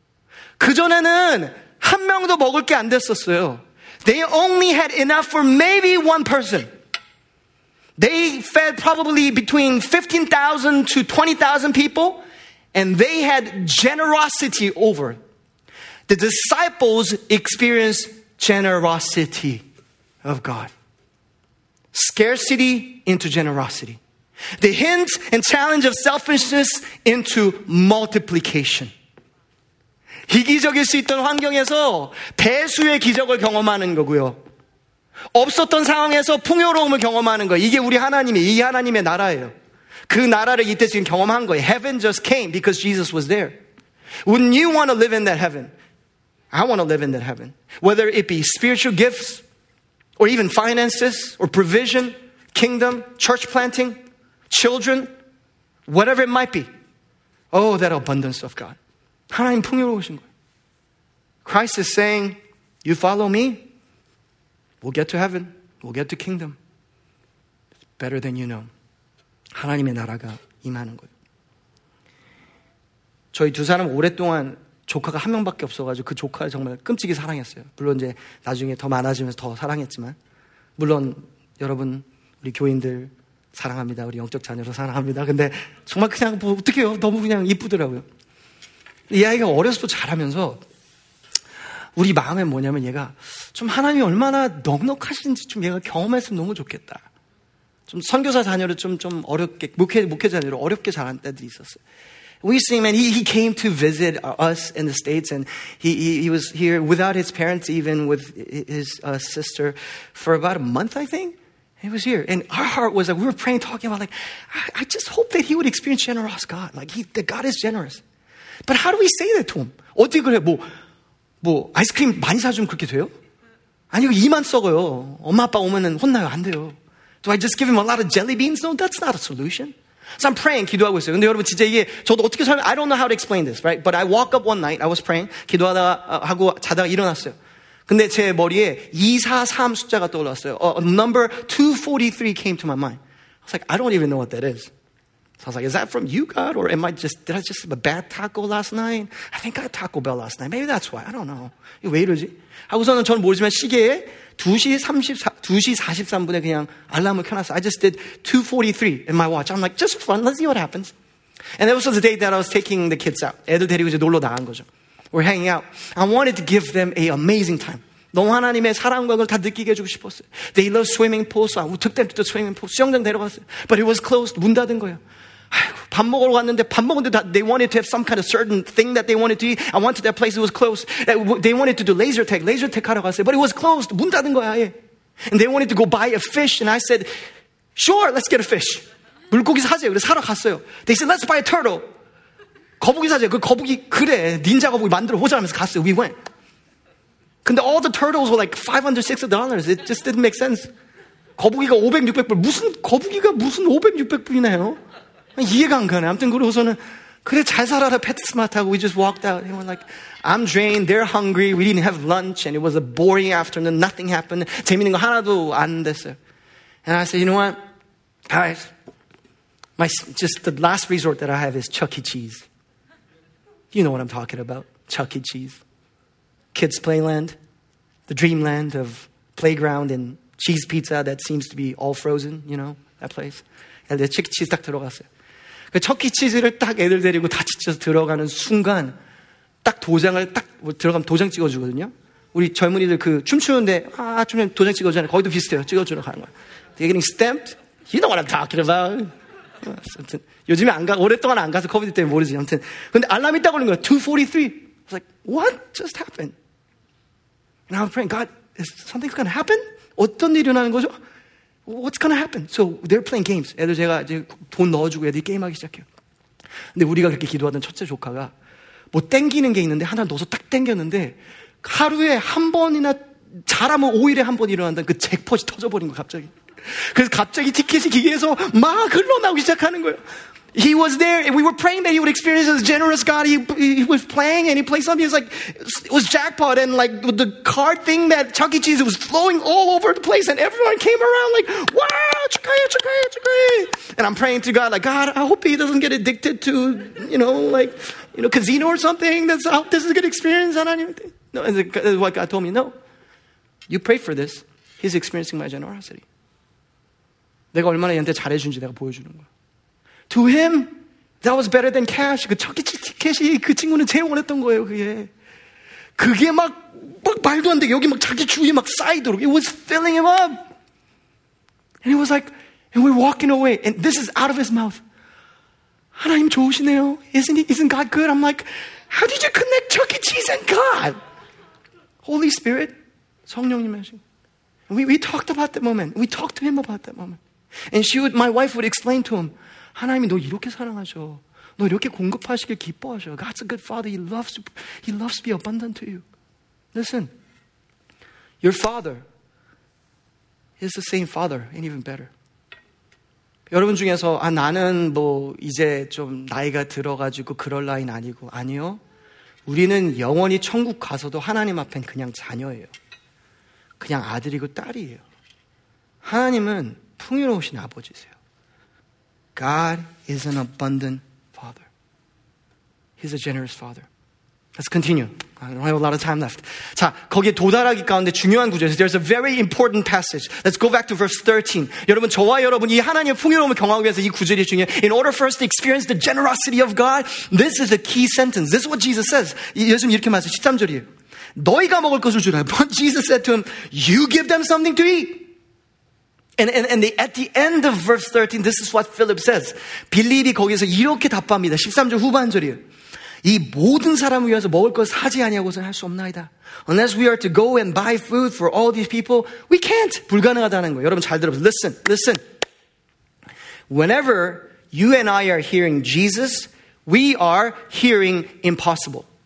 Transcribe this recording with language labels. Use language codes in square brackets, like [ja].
[ko] 그전에는 한 명도 먹을 게 안 됐었어요. [en] They only had enough for maybe one person. They fed probably between 15,000 to 20,000 people. And they had generosity over. The disciples experienced generosity of God. Scarcity into generosity. The hint and challenge of selfishness into multiplication. [ko] 희귀적일 수 있던 환경에서 대수의 기적을 경험하는 거고요. 없었던 상황에서 풍요로움을 경험하는 거예요. 이게 우리 하나님의, 이 하나님의 나라예요. 그 나라를 이때 지금 경험한 거예요. [en] Heaven just came because Jesus was there. Wouldn't you want to live in that heaven? I want to live in that heaven. Whether it be spiritual gifts or even finances or provision, kingdom, church planting, children, whatever it might be. Oh, that abundance of God. [ko] 하나님 풍요로우신 거예요. [en] Christ is saying, you follow me, we'll get to heaven, we'll get to kingdom. It's better than you know. [ko] 하나님의 나라가 임하는 거예요. 저희 두 사람 오랫동안 조카가 한 명밖에 없어가지고 그 조카를 정말 끔찍이 사랑했어요. 물론 이제 나중에 더 많아지면서 더 사랑했지만 물론 여러분 우리 교인들 사랑합니다. 우리 영적 자녀도 사랑합니다. 근데 정말 그냥 뭐 어떡해요. 너무 그냥 이쁘더라고요. 이 아이가 어려서도 잘하면서 우리 마음에 뭐냐면 얘가 좀 하나님이 얼마나 넉넉하신지 좀 얘가 경험했으면 너무 좋겠다. 좀 선교사 자녀를 좀 어렵게 목회 자녀를 어렵게 자란 때들이 있었어요. [en] We see him and he came to visit us in the States and he was here without his parents even with his sister for about a month I think. He was here and our heart was like we were praying talking about like I just hope that he would experience generous God like that God is generous. But how do we say that to him? [ko] 어떻게 그래? 뭐 아이스크림 많이 사주면 그렇게 돼요? 아니요 이만 썩어요. 엄마 아빠 오면은 혼나요. 안 돼요. [en] Do I just give him a lot of jelly beans? No, that's not a solution. So I'm praying, [ko] 기도하고 있어요. 근데 여러분 진짜 이게 저도 어떻게 설명, [en] I don't know how to explain this, right? But I woke up one night, I was praying, [ko] 기도하고 자다가 일어났어요. 근데 제 머리에 243 숫자가 떠올랐어요. [en] Number 243 came to my mind. I was like, I don't even know what that is. So I was like, is that from you, God? Or did I just have a bad taco last night? I think I had Taco Bell last night. Maybe that's why. I don't know. [ko] 왜 이러지? 하고서는 저는 모르지만 시계에 2시 43분에 그냥 알람을 켜놨어. [en] I just did 2:43 in my watch. I'm like, just for fun. Let's see what happens. And that was the day that I was taking the kids out. [ko] 애들 데리고 이제 놀러 나간 거죠. [en] We're hanging out. I wanted to give them an amazing time. [ko] 너무 하나님의 사랑과 그걸 다 느끼게 해주고 싶었어요. [en] They love swimming pools. So I took them to the swimming pool. [ko] 수영장 데려갔어요. [en] But it was closed. [ko] 문 닫은 거예요. 아이고, 밥 먹으러 갔는데 밥 먹는데 [en] they wanted to have some kind of certain thing that they wanted to eat. I went to that place. It was closed. They wanted to do laser tag [ko] 하러 갔어요. [en] But it was closed. [ko] 문 닫은 거야. 아예. [en] And they wanted to go buy a fish. And I said, sure, let's get a fish. [ko] 물고기 사세요. 그래서 사러 갔어요. [en] They said, let's buy a turtle. [ko] 거북이 사세요. 그 거북이 그래. 닌자 거북이 만들어 보자면서 갔어요. [en] We went. [ko] 근데 [en] all the turtles were like $560. It just didn't make sense. [ko] 거북이가 500, 600불. 무슨 거북이가 무슨 500, 600불이나 해요? 이해가 안 가네. 아무튼 그러고서는 그래 잘 살아라 페트스마트 하고 [en] we just walked out. And we're like, I'm drained. They're hungry. We didn't have lunch. And it was a boring afternoon. Nothing happened. [ko] 재밌는 거 하나도 안 됐어요. [en] And I said, you know what? Guys, just the last resort that I have is Chuck E. Cheese. You know what I'm talking about. Chuck E. Cheese. Kids' playland, the dreamland of playground and cheese pizza that seems to be all frozen, you know, that place. And the Chuck E. Cheese [ko] 딱 들어갔어요. [en] 그 Chuck E. [ko] Cheese를 딱 애들 데리고 다 지쳐서 들어가는 순간, 딱 도장을 딱 들어가면 도장 찍어주거든요. 우리 젊은이들 그 춤추는데, 춤추면 도장 찍어주잖아요. 거기도 비슷해요. 찍어주러 가는 거야. [en] They're getting stamped. You know what I'm talking about. [ko] 아무튼, 요즘에 안 가, 오랫동안 안 가서 COVID 때문에 모르지. 아무튼. 근데 알람이 딱 오는 거야. [en] 2:43. I was like, what just happened? And I was praying, God, is something going to happen? [ko] 어떤 일이 일어나는 거죠? [en] What's going to happen? So they're playing games. [ko] 애들 제가 이제 돈 넣어주고 애들이 게임하기 시작해요. 근데 우리가 그렇게 기도하던 첫째 조카가 뭐 땡기는 게 있는데 하나 넣어서 딱 땡겼는데 하루에 한 번이나 잘하면 5일에 한번 일어난다는 그 잭팟이 터져버린 거예요 갑자기. 그래서 갑자기 티켓이 기계에서 막 흘러나오기 시작하는 거예요. [en] He was there. We were praying that he would experience this generous God. He was playing and he played something. It was jackpot and like the card thing that Chuck E. Cheese was flowing all over the place and everyone came around like, wow, [ko] 축하해, 축하해, 축하해. [en] And I'm praying to God like, God, I hope he doesn't get addicted to, you know, casino or something. That's, I hope this is a good experience. I don't even know. And what God told me, no. You pray for this. He's experiencing my generosity. [ko] 내가 얼마나 얘한테 잘해준지 내가 보여주는 거야. [en] To him, that was better than cash. [ko] 그 Chuck E. Cheese 티켓이 그 친구는 제일 원했던 거예요, 그게. 그게 막 말도 안 되게 여기 막 자기 주위에 막 쌓이도록. [en] It was filling him up. And he was like, and we're walking away. And this is out of his mouth. [ko] 하나님 좋으시네요. [en] Isn't God good? I'm like, how did you connect Chuck E. Cheese and God? Holy Spirit, [ko] 성령님 하신. [en] We talked about that moment. We talked to him about that moment. And my wife would explain to him, [ko] 하나님이 너 이렇게 사랑하셔. 너 이렇게 공급하시길 기뻐하셔. [en] God's a good father. He loves to be abundant to you. Listen, your father is the same father and even better. [ko] 여러분 중에서 아 나는 뭐 이제 좀 나이가 들어가지고 그럴 나이는 아니고 아니요. 우리는 영원히 천국 가서도 하나님 앞엔 그냥 자녀예요. 그냥 아들이고 딸이에요. 하나님은 풍요로우신 아버지세요. [en] God is an abundant father. He's a generous father. Let's continue. I don't have a lot of time left. [ko] 자, 거기에 도달하기 가운데 중요한 구절. [en] There's a very important passage. Let's go back to verse 13. [ko] 여러분, 저와 여러분, 이 하나님의 풍요로움을 경험하기 위해서 이 구절이 중요해. [en] In order for us to experience the generosity of God, this is a key sentence. This is what Jesus says. [ko] 예수님 이렇게 말하세요. 13절이에요. 너희가 먹을 것을 주라. [en] But Jesus said to him, you give them something to eat. And the, at the end of verse 13, this is what Philip says. [ko] 빌립이 거기서 이렇게 답합니다. 13절 후반절이요. 이 모든 사람을 위해서 먹을 것을 사지 아니하고서는 할 수 없나이다. [en] Unless we are to go and buy food for all these people, we can't. [ko] 불가능하다는 거예요. 여러분 잘 들어보세요. [en] Listen. Whenever you and I are hearing Jesus, we are hearing impossible.